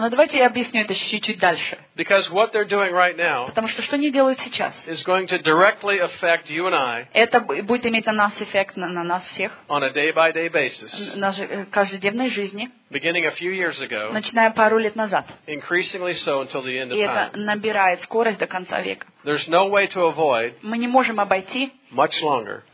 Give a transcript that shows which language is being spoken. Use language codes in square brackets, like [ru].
[ru] Но давайте я объясню это чуть-чуть дальше. [en] Because what they're doing right now. [ru] Потому что они делают сейчас. [en] Is going to directly affect you and I. [ru] Это будет иметь на нас эффект на нас всех. [en] On a day-by-day basis. [ru] На каждодневной жизни. [en] Beginning a few years ago. [ru] Начиная пару лет назад. [en] Increasingly so until the end of time. [ru] И это набирает скорость до конца века. [en] There's no way to avoid. [ru] Мы не можем обойти. [en] Much longer.